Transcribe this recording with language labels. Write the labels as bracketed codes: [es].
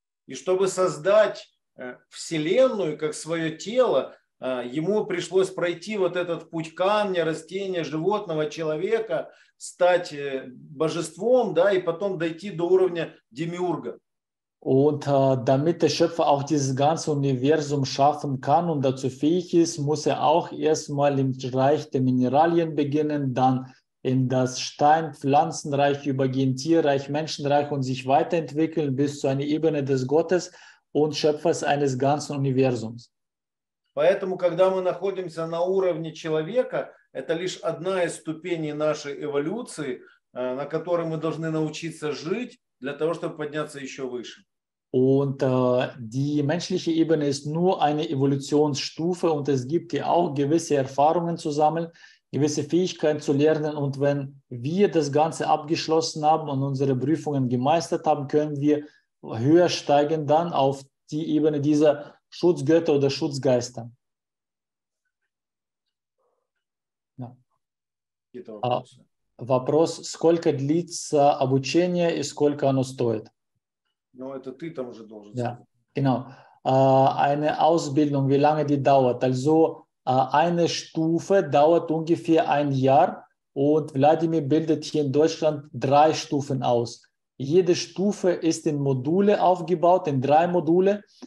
[ru] И чтобы создать Вселенную как свое тело, ему пришлось пройти вот этот путь камня, растения, животного, человека, стать божеством, да, и потом дойти до уровня демиурга. [de] Und damit der Schöpfer auch dieses ganze Universum schaffen kann und dazu fähig ist, muss auch erstmal im Reich der Mineralien beginnen, dann in das Stein-, Pflanzenreich übergehen, Tierreich, Menschenreich und sich weiterentwickeln bis zu einer Ebene des Gottes und Schöpfers eines ganzen Universums. [ru] Поэтому, когда мы находимся на уровне человека, это лишь одна из ступеней нашей эволюции, на которой мы должны научиться жить для того, чтобы подняться еще выше. [de] Und die menschliche Ebene ist nur eine Evolutionsstufe und es gibt hier auch gewisse Erfahrungen zu sammeln, gewisse Fähigkeiten zu lernen. Und wenn wir das Ganze abgeschlossen haben und unsere Prüfungen gemeistert haben, können wir höher steigen dann auf die Ebene dieser Schutzgötter oder Schutzgeister. Ja. [ru] Вопрос, сколько длится обучение и сколько оно стоит? Ну, это ты там уже должен сказать. [de] Genau. Eine Ausbildung, wie lange die dauert? Also, eine Stufe dauert ungefähr ein Jahr und Wladimir bildet hier in Deutschland 3 Stufen aus. Jede Stufe ist in Module aufgebaut, in 3 Module.